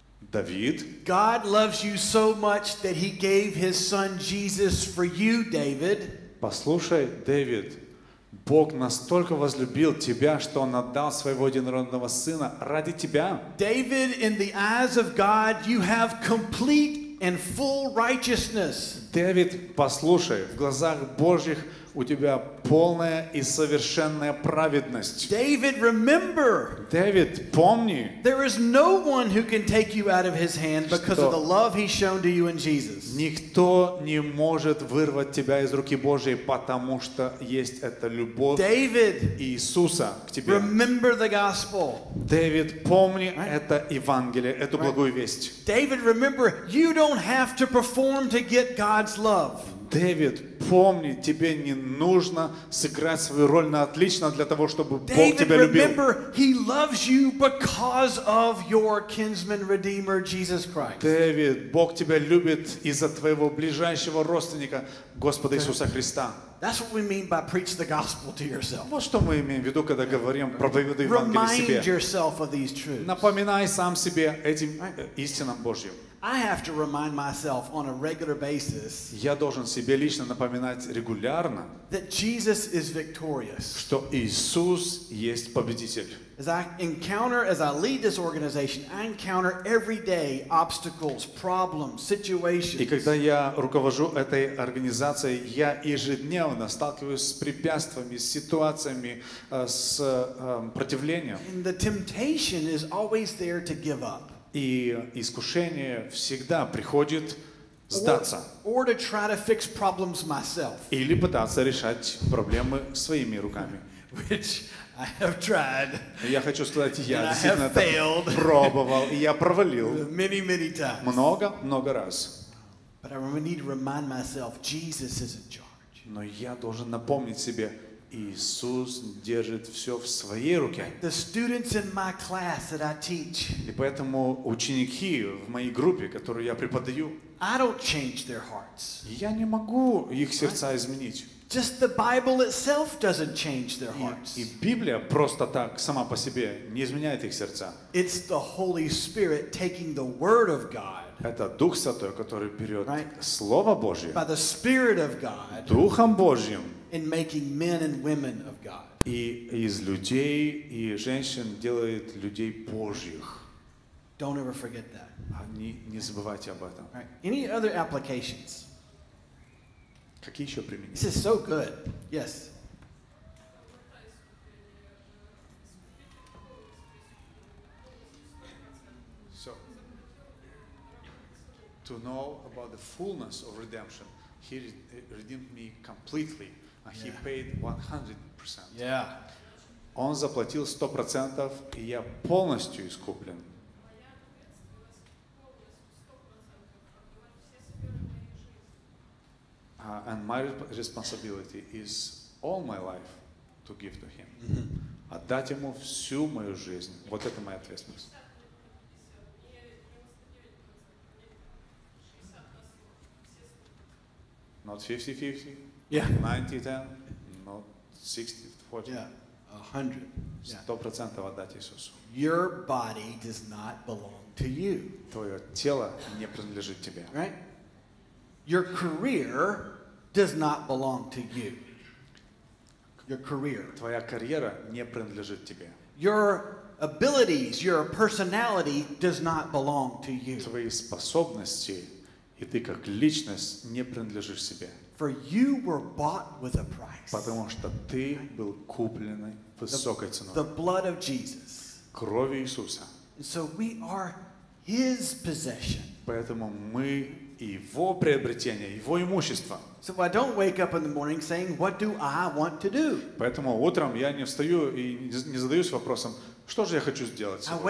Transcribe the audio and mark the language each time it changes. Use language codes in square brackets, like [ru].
[en] David, God loves you so much that he gave his son Jesus for you, David. [ru] Послушай, Дэвид, Бог настолько возлюбил тебя, что он отдал своего единородного сына ради тебя. [en] David, in the eyes of God, you have complete and full righteousness. [ru] Дэвид, послушай, в глазах Божьих у тебя полная и совершенная праведность. [en] David, remember. [ru] Дэвид, помни. [en] There is no one who can take you out of his hand because of the love he's shown to you in Jesus. [ru] Никто не может вырвать тебя из руки Божьей, потому что есть эта любовь [en] David, [ru] Иисуса к тебе. [en] Remember the gospel. [ru] Дэвид, помни [en] right? [ru] это Евангелие, эту right? благую весть. [en] David, remember, you don't have to perform to get God's love. [ru] Дэвид, помни, тебе не нужно сыграть свою роль на отлично для того, чтобы Бог тебя любил. [en] Remember, he loves you because of your kinsman redeemer Jesus Christ. [ru] Дэвид, Бог тебя любит из-за твоего ближайшего родственника, Господа Иисуса Христа. [en] That's what we mean by preach the gospel to yourself. [ru] Вот что мы имеем в виду, когда говорим проповедуй Евангелие себе. [en] Remind yourself of these truths. [ru] Напоминай сам себе этим истинам Божьим. [en] I have to remind myself on a regular basis. [ru] Я должен себе лично напоминать регулярно. [en] That Jesus is victorious. [ru] Что Иисус есть победитель. [en] As I encounter, as I lead this organization, I encounter every day obstacles, problems, situations. [ru] И когда я руковожу этой организацией, я ежедневно сталкиваюсь с препятствиями, с ситуациями, с противлением. [en] And the temptation is always there to give up. [ru] И искушение всегда приходит сдаться. [en] Or to try to fix problems myself. [ru] Или пытаться решать проблемы своими руками. [en] Which I have tried. [ru] Я хочу сказать, я действительно там пробовал, и я провалил. [en] Many, many times. [ru] Много раз. [en] But I need to remind myself, Jesus is in charge. [ru] Но я должен напомнить себе, Иисус держит все в своей руке. [en] The students in my class that I teach. [ru] И поэтому ученики в моей группе, которую я преподаю, [en] I don't change their hearts. [ru] Я не могу их сердца изменить. [en] Just the Bible itself doesn't change their hearts. [ru] И Библия просто так сама по себе не изменяет их сердца. [en] It's the Holy Spirit taking the Word of God. [ru] Это Дух Святой, который берет Слово Божье. [en] By the Spirit of God. [ru] Духом Божьим. [en] And making men and women of God. [ru] И из людей и женщин делает людей Божьих. [en] Don't ever forget that. [ru] Не забывайте об этом. [en] Any other applications? [ru] Какие еще применения? [en] This is so good. Yes. So, to know about the fullness of redemption, he redeemed me completely. He paid 100%. Yeah. [ru] Он заплатил 100%, и я полностью искуплен. [en] And my responsibility is all my life to give to him. Mm-hmm. [ru] Отдать ему всю мою жизнь. Вот это моя ответственность. [en] 50-50. Not 50-50. Yeah. 90-10. Not 60-40. Yeah. 100. [ru] 100% отдать Иисусу. [en] Your body does not belong to you. [ru] Твое тело не принадлежит тебе. [en] Right? Your career does not belong to you. Your career. [ru] Твоя карьера не принадлежит тебе. [en] Your abilities, your personality does not belong to you. [ru] Твои способности и ты как личность не принадлежишь себе. [en] For you were bought with a price. [ru] Потому что ты был куплен высокой ценой. [en] The blood of Jesus. [ru] Кровь Иисуса. [en] And so we are his possession. [ru] Поэтому мы его приобретение, его имущество. [en] So I don't wake up in the morning saying, "What do I want to do?" [ru] Поэтому утром я не встаю и не задаюсь вопросом, что же я хочу сделать сегодня.